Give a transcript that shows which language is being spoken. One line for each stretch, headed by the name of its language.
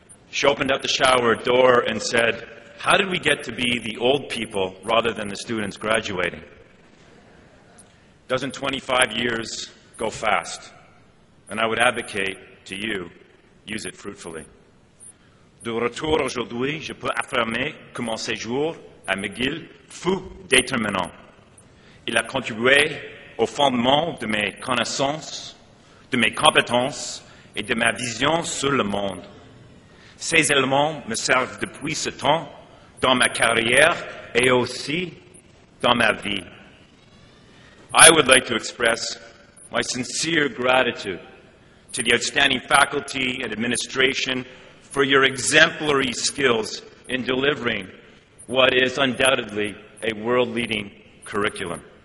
English: She opened up the shower door and said, "How did we get to be the old people rather than the students graduating?" Doesn't 25 years go fast? And I would advocate to you, use it fruitfully.
French: De retour aujourd'hui, je peux affirmer que mon séjour à McGill fut déterminant. Il a contribué au fondement de mes connaissances, de mes compétences et de ma vision sur le monde. Ces éléments me servent depuis ce temps dans ma carrière et aussi dans ma vie.
English: I would like to express my sincere gratitude to the outstanding faculty and administration for your exemplary skills in delivering what is undoubtedly a world-leading curriculum.